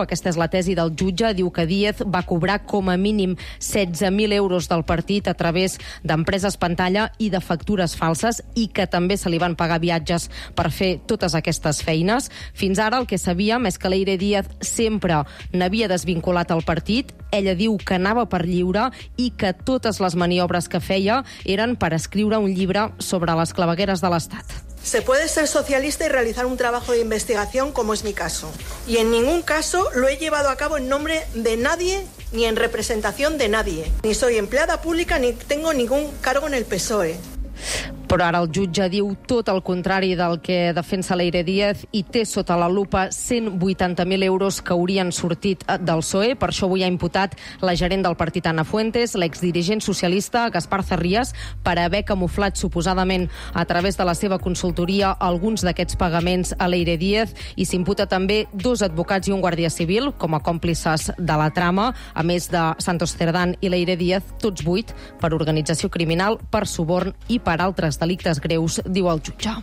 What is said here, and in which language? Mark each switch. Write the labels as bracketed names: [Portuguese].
[Catalan] Aquesta és la tesi del jutge. Diu que Díaz va cobrar com a mínim 16.000 euros del partit a través d'empreses pantalla i de factures falses, i que també se li van pagar viatges per fer totes aquestes feines. Fins ara el que sabíem és que Leire Díaz sempre n'havia desvinculat el partit. Ella diu que anava per lliure i que totes les maniobres que feia eren per escriure un llibre sobre les clavegueres de l'Estat. [Spanish] Se puede ser socialista y realizar un trabajo de investigación, como es mi caso. Y en ningún caso lo he llevado a cabo en nombre de nadie ni en representación de nadie. Ni soy empleada pública ni tengo ningún cargo en el PSOE. [Catalan] Però ara el jutge diu tot el contrari del que defensa Leire Díaz i té sota la lupa 180.000 euros que haurien sortit del PSOE. Per això avui ha imputat la gerent del partit, Ana Fuentes, l'exdirigent socialista Gaspar Sarrías, per haver camuflat suposadament a través de la seva consultoria alguns d'aquests pagaments a Leire Díaz, i s'imputa també dos advocats i un guàrdia civil com a còmplices de la trama, a més de Santos Cerdán i Leire Díaz, tots vuit, per organització criminal, per suborn i per altres delictes greus, diu el jutge.